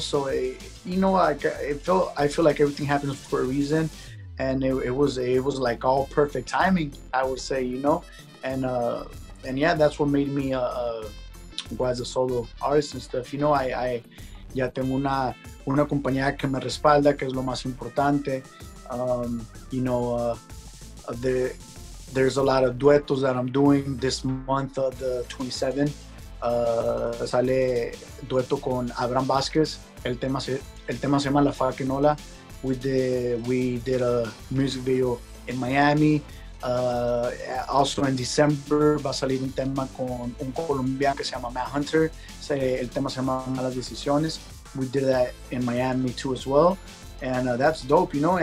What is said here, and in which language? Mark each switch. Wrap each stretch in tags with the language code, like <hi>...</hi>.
<en>So I feel like everything happens for a reason, and it was like all perfect timing, I would say, you know, and yeah, that's what made me go as a solo artist and stuff. You know, I</en> <es>ya tengo una compañía que me respalda, que es lo más importante.</es> <en>You know, there's a lot of duetos that I'm doing this month of the 27th.</en> <es>Sale dueto con Abraham Vázquez. El tema se llama La Faquenola.</es> <en>We did a music video in Miami. Also in December</en> <es>va a salir un tema con un colombiano que se llama Matt Hunter. El tema se llama Malas Decisiones.</es> <en>We did that in Miami too as well, and that's dope, you know.</en>